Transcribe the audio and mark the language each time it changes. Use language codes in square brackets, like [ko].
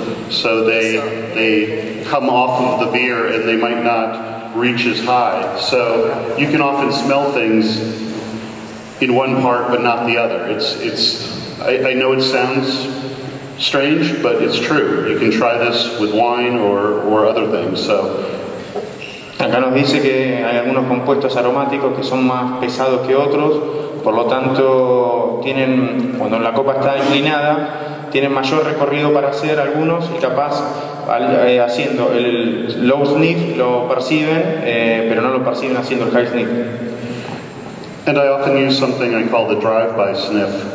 [en] So they come off of the beer and they might not reach as high. So you can often smell things in one part but not the other. I know it sounds strange, but it's true. You can try this with wine or other things. So [es] acá nos dice que hay algunos compuestos aromáticos que son más pesados que otros, por lo tanto tienen, cuando la copa está inclinada, tienen mayor recorrido para hacer algunos y capaz haciendo el low sniff lo perciben, pero no lo perciben haciendo el high sniff. [en] And I often use something I call the drive-by sniff.